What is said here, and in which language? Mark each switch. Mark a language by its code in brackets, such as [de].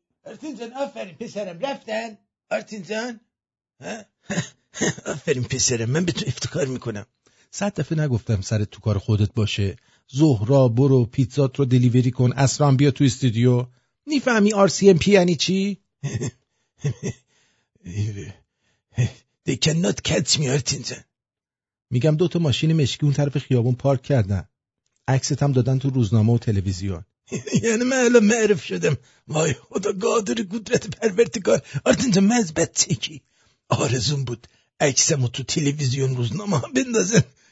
[fa] آرتین جان آفرین پسرم، رفتن آرتین جان؟ آفرین پسرم، من به تو افتخار میکنم. صد دفعه نگفتم سر تو کار خودت باشه؟ زهرا برو پیتزات رو دلیوری کن، اصلا بیا تو استودیو. نیفهمی آر سی ام پی یعنی چی؟ [en] They cannot catch me آرتین جان. [fa] میگم دوتا ماشین مشکی اون طرف خیابون پارک کردن، عکست هم دادن تو روزنامه و تلویزیون. یعنی من الان معرف شدم؟ وای خدا، قادر قدرت پرورتگار. آرتین جان من از بچگی آرزوم بود عکسمو تو تلویزیون روزنامه ها بندازم.